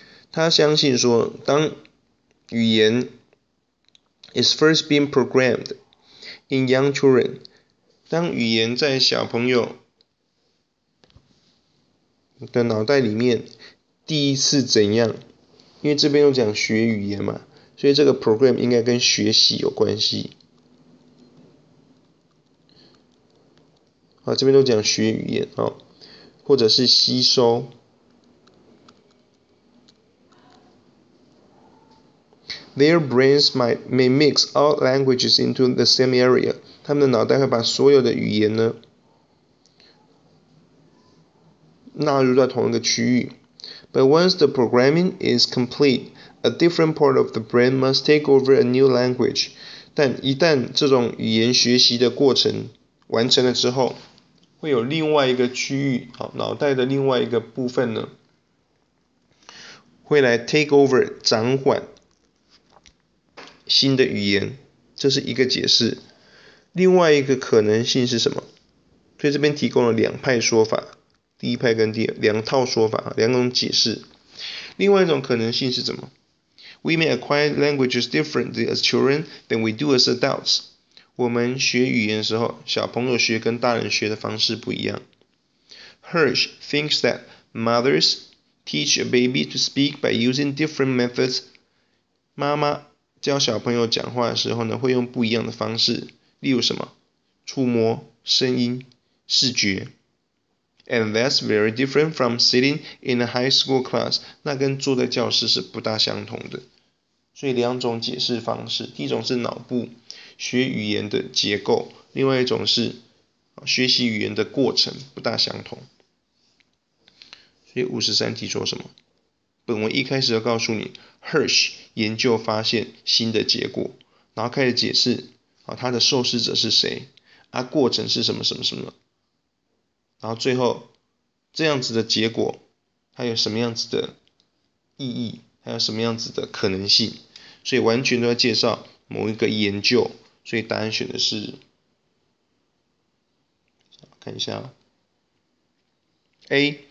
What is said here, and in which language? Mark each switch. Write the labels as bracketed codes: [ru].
[zh] 他相信说，当语言 [en] is first being programmed in young children， [zh] 当语言在小朋友的脑袋里面第一次怎样，因为这边又讲学语言嘛，所以这个 program 应该跟学习有关系。好，这边都讲学语言哦，或者是吸收。 [en] Their brains might may mix all languages into the same area. [zh] 他们的脑袋会把所有的语言呢纳入到同一个区域。 [en] But once the programming is complete, a different part of the brain must take over a new language. [zh] 但一旦这种语言学习的过程完成了之后，会有另外一个区域，脑袋的另外一个部分呢，会来 [en] take over [zh] 掌管新的语言，这是一个解释。另外一个可能性是什么？所以这边提供了两派说法，第一派跟第二两套说法，两种解释。另外一种可能性是什么 [en] ？We may acquire languages differently as children than we do as adults. [zh] 我们学语言的时候，小朋友学跟大人学的方式不一样。 [en] Hirsch thinks that mothers teach a baby to speak by using different methods. [zh] 妈妈教小朋友讲话的时候呢，会用不一样的方式，例如什么？触摸、声音、视觉。 [en] And that's very different from sitting in a high school class. [zh] 那跟坐在教室是不大相同的。所以两种解释方式，第一种是脑部学语言的结构，另外一种是学习语言的过程不大相同。所以53题说什么？本文一开始就告诉你 Hirsch 研究发现新的结果，然后开始解释他的受试者是谁，过程是什么什么什么，然后最后这样子的结果它有什么样子的意义，还有什么样子的可能性，所以完全都要介绍某一个研究，所以答案选的是，看一下 ，A.